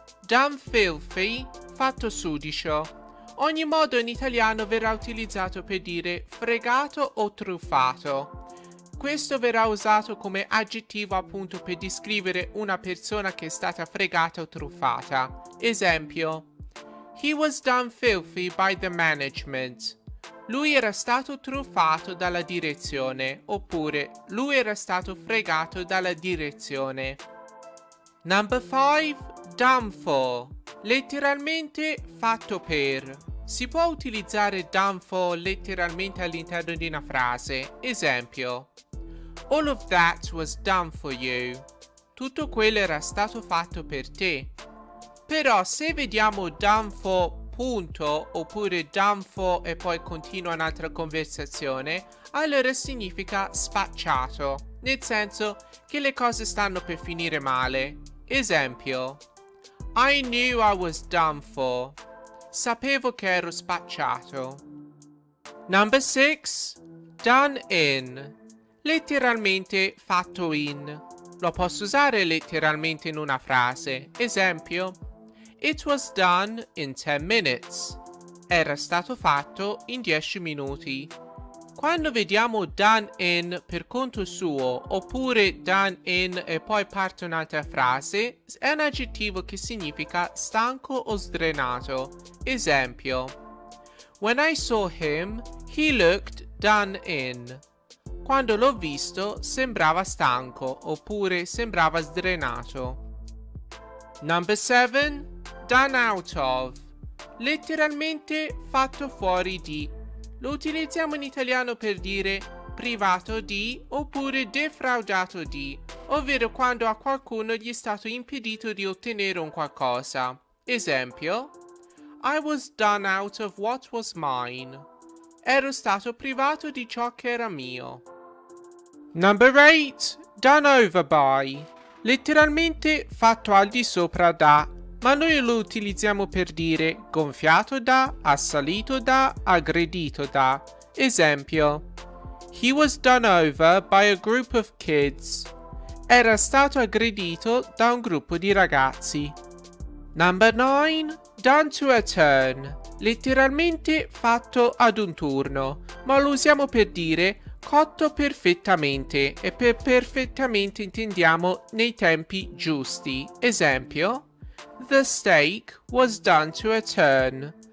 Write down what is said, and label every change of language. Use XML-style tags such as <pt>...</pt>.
<en>Done filthy</en> <it>fatto sudicio. Ogni modo in italiano verrà utilizzato per dire fregato o truffato. Questo verrà usato come aggettivo appunto per descrivere una persona che è stata fregata o truffata.</it> <en>Esempio: He was done filthy by the management.</en> <it>Lui era stato truffato dalla direzione. Oppure lui era stato fregato dalla direzione.</it> <en>Number 5. Done for.</en> <it>Letteralmente fatto per. Si può utilizzare</it> <en>done for</en> <it>letteralmente all'interno di una frase.</it> <en>Esempio: All of that was done for you.</en> <it>Tutto quello era stato fatto per te. Però se vediamo</it> <en>done for</en> <it>punto oppure done for e poi continua un'altra conversazione, allora significa spacciato, nel senso che le cose stanno per finire male.</it> <en>Esempio: I knew I was done for.</en> <it>Sapevo che ero spacciato.</it> <en>Number 6. Done in.</en> <it>Letteralmente fatto in. Lo posso usare letteralmente in una frase. Esempio:</it> <en>It was done in 10 minutes.</en> <it>Era stato fatto in 10 minuti. Quando vediamo</it> <en>done in</en> <it>per conto suo oppure done in e poi parte un'altra frase, è un aggettivo che significa stanco o sdrenato. Esempio:</it> <en>When I saw him, he looked done in.</en> <it>Quando l'ho visto, sembrava stanco oppure sembrava sdrenato.</it> <en>Number 7. Done out of.</en> <it>Letteralmente fatto fuori di. Lo utilizziamo in italiano per dire privato di oppure defraudato di, ovvero quando a qualcuno gli è stato impedito di ottenere un qualcosa.</it> <en>Esempio: I was done out of what was mine.</en> <it>Ero stato privato di ciò che era mio.</it> <en>Number 8. Done over by.</en> <it>Letteralmente fatto al di sopra da, ma noi lo utilizziamo per dire gonfiato da, assalito da, aggredito da.</it> <en>Esempio: He was done over by a group of kids.</en> <it>Era stato aggredito da un gruppo di ragazzi.</it> <en>Number 9. Done to a turn.</en> <it>Letteralmente fatto ad un turno, ma lo usiamo per dire cotto perfettamente, e per perfettamente intendiamo nei tempi giusti.</it> <en>Esempio: The steak was done to a turn.</en>